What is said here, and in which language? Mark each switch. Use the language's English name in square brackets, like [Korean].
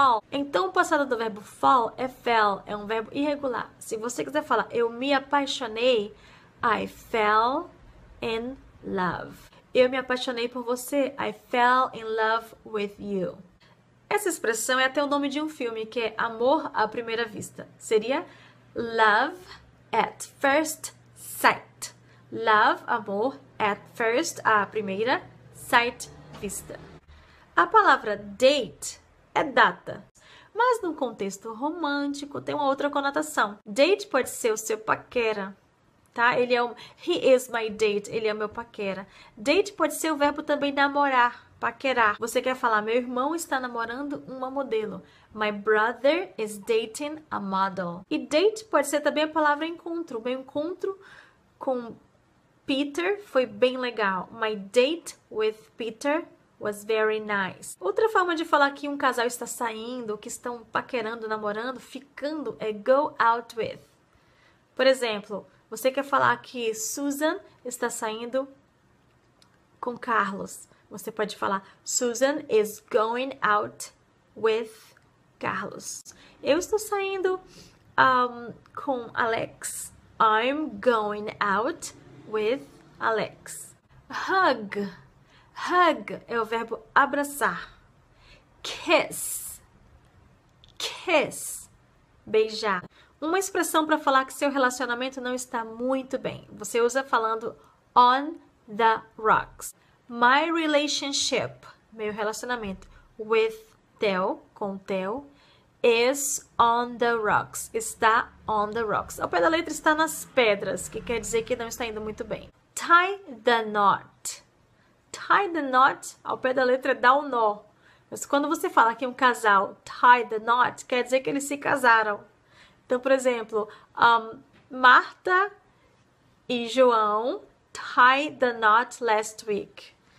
[Portuguese] Então, o passado do verbo fall é fell, é um verbo irregular. Se você quiser falar eu me apaixonei, [English] I fell in love. [Portuguese] Eu me apaixonei por você, [English] I fell in love with you. [Portuguese] Essa expressão é até o nome de um filme, que é Amor à Primeira Vista. Seria [English] love at first sight. Love, [Portuguese] amor, [English] at first, [Portuguese] à primeira [English] sight [Portuguese] vista. A palavra date é data, mas num contexto romântico tem uma outra conotação. Date pode ser o seu paquera, tá? [English] He is my date, [Portuguese] ele é o meu paquera. Date pode ser o verbo também namorar, paquerar. Você quer falar, meu irmão está namorando uma modelo. [English] My brother is dating a model. [Portuguese] E date pode ser também a palavra encontro. Meu encontro com Peter foi bem legal. [English] My date with Peter was very nice. [Portuguese] Outra forma de falar que um casal está saindo, que estão paquerando, namorando, ficando, é go out with. Por exemplo, você quer falar que Susan está saindo com Carlos. Você pode falar [English] Susan is going out with Carlos. [Portuguese] Eu estou saindo com Alex. [English] I'm going out with Alex. Hug. [Portuguese] Hug é o verbo abraçar. Kiss. Kiss. Beijar. Uma expressão para falar que seu relacionamento não está muito bem. Você usa falando on the rocks. [English] My relationship, [Portuguese] meu relacionamento [English] with Theo, [Portuguese] com [English] Theo, is on the rocks. [Portuguese] Está on the rocks. Ao pé da letra está nas pedras, que quer dizer que não está indo muito bem. Tie the knot. Tie the knot, ao pé da letra, dá um nó. Mas quando você fala que um casal tie the knot, quer dizer que eles se casaram. Então, por exemplo, Marta e João [English] tie the knot last week.